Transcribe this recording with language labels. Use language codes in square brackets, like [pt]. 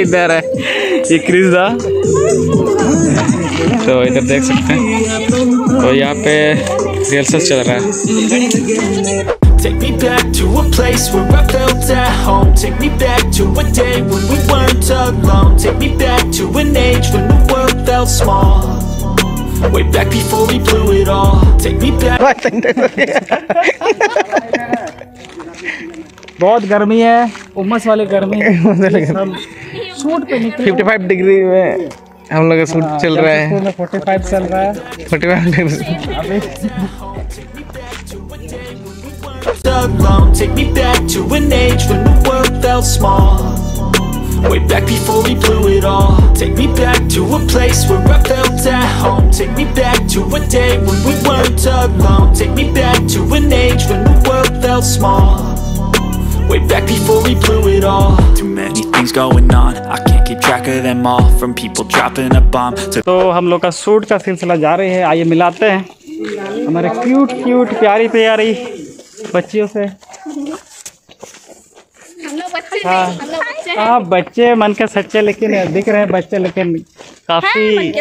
[hi] इधर है ये क्रिजा, तो इधर देख सकते हैं। तो यहाँ पे रिहर्सल चल रहा है। [en] Way back before we blew it all. Take me back. I think that's it. [hi] बहुत गर्मी है, उमस वाली गर्मी है। सूट पे 55 डिग्री में हम लोग का सूट चल रहा है। 45 चल रहा है। 45 degree [en] Take me back to an age when the world felt small. Way back before we blew it all. Take me back to a place where I felt at home. Take me back to a day when we weren't alone. Take me back to an age when the world felt small. Way back before we blew it all. Too many things going on. I can't keep track of them all. From people dropping a bomb. [hi] तो हम लोग का suit का सिलसिला जा रही है। आइए मिलाते हैं हमारे क्यूट क्यूट प्यारी प्यारी बच्चियों से। हाँ बच्चे मन के सच्चे, लेकिन दिख रहे हैं बच्चे, लेकिन काफी